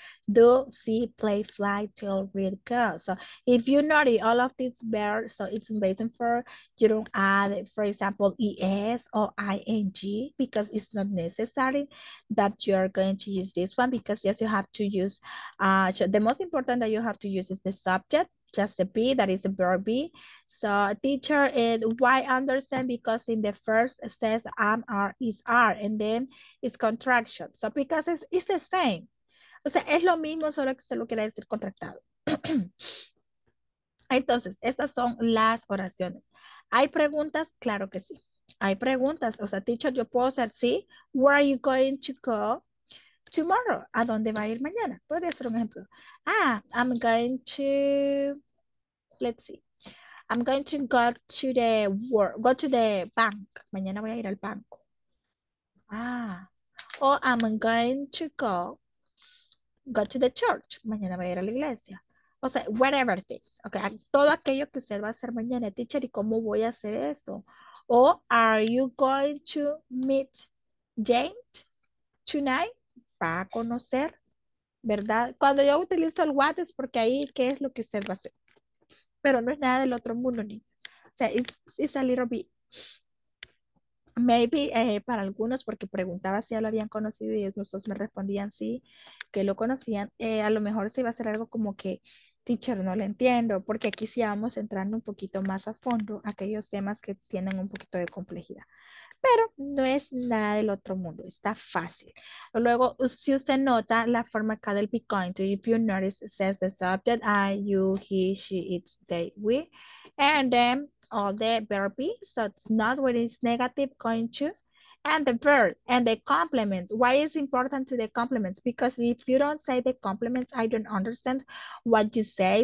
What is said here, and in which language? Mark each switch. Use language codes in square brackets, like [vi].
[en] Do, see, play, fly, tell, read, go. So if you notice all of these verbs, so it's in base form, you don't add, for example, ES or ING because it's not necessary that you're going to use this one because yes, you have to use, the most important that you have to use is the subject, just the be, that is the verb be. So teacher, it, why understand? Because in the first it says am, are, is, are, and then it's contraction. So because it's the same. [es] O sea, es lo mismo, solo que usted lo quiere decir contractado. Entonces, estas son las oraciones. ¿Hay preguntas? Claro que sí. Hay preguntas. O sea, teacher, yo puedo hacer, sí. [en] Where are you going to go tomorrow? [es] ¿A dónde va a ir mañana? Podría ser un ejemplo. [en] Ah, I'm going to, let's see. I'm going to go to the work, go to the bank. [es] Mañana voy a ir al banco. Ah, o [en] I'm going to go to the church. [es] Mañana voy a ir a la iglesia. O sea, [en] whatever things. [es] Okay, todo aquello que usted va a hacer mañana, teacher, ¿y cómo voy a hacer esto? [en] O are you going to meet James tonight? [es] Para conocer, ¿verdad? Cuando yo utilizo el what es porque ahí, ¿qué es lo que usted va a hacer? Pero no es nada del otro mundo, ni. O sea, [en] it's a little bit. [es] Maybe para algunos, porque preguntaba si ya lo habían conocido y ellos me respondían sí, que lo conocían. A lo mejor se iba a hacer algo como que, teacher, no lo entiendo, porque aquí sí vamos entrando un poquito más a fondo aquellos temas que tienen un poquito de complejidad. Pero no es nada del otro mundo, está fácil. Luego, si usted nota la forma acá del [en] be going to, if you notice, it says the subject, I, you, he, she, it's, they, we, and then, all the verb be, so it's not what is negative going to, and the verb and the complements. Why is important to the complements? Because if you don't say the complements, I don't understand what you say.